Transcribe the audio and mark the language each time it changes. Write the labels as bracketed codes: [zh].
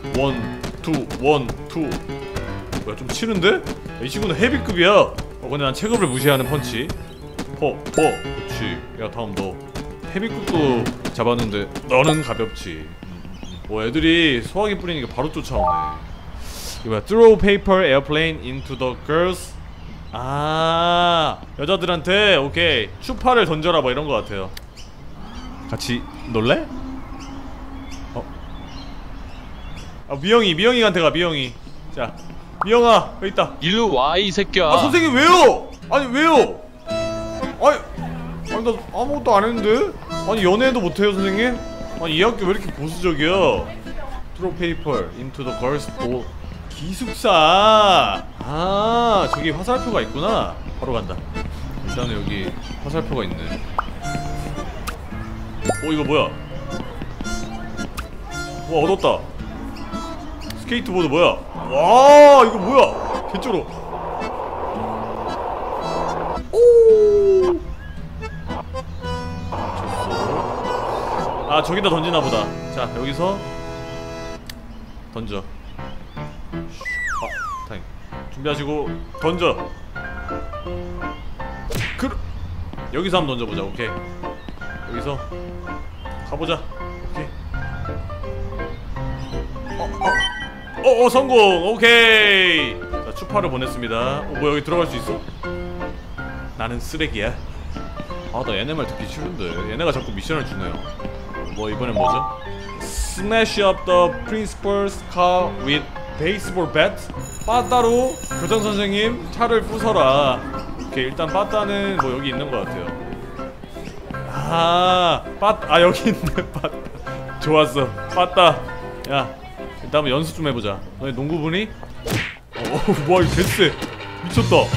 [ko] 원, 투, 원, 투. 뭐야 좀 치는데? 야, 이 친구는 헤비급이야. 어 근데 난 체급을 무시하는 펀치. 퍼 퍼. 그치. 야 다음 너 헤비급도 잡았는데 너는 가볍지. 뭐 애들이 소화기 뿌리니까 바로 쫓아오네. 이거야 [en] throw paper airplane into the girls. [ko] 아 여자들한테 오케이 추파를 던져라 뭐 이런 거 같아요. 같이 놀래? 어? 아 미영이 미영이한테 가. 미영이 자 미영아 여기 있다. 일로 와 이 새끼야. 아 선생님 왜요? 아니 왜요? 아니 나 아무것도 안 했는데? 아니 연애도 못해요 선생님? 아니 이 학교 왜 이렇게 보수적이야? [en] Throw paper into the girl's door. [ko] 기숙사. 아 저기 화살표가 있구나. 바로 간다. 일단은 여기 화살표가 있네. 어 이거 뭐야? 와 얻었다. 스케이트보드 뭐야? 와 이거 뭐야? 개쩔어. 오. 졌어. 아 저기다 던지나 보다. 자 여기서 던져. 아 타임 준비하시고 던져. 그 여기서 한번 던져보자. 오케이 여기서 가보자. 오 성공! 오케이! 자 추파를 보냈습니다. 오 뭐 여기 들어갈 수 있어? 나는 쓰레기야. 아 나 얘네 말 듣기 싫은데. 얘네가 자꾸 미션을 주네요. 뭐 이번엔 뭐죠? [en] Smash up the principal's car with baseball bat? [ko] 빠따로 교장선생님 차를 부숴라. 오케이 일단 빠따는 뭐 여기 있는 것 같아요. 아 여기 있네 빠따. 좋았어 빠따. 야 일단 한번 연습 좀 해보자. 너네 농구부니? 와 이거 됐어. 미쳤다.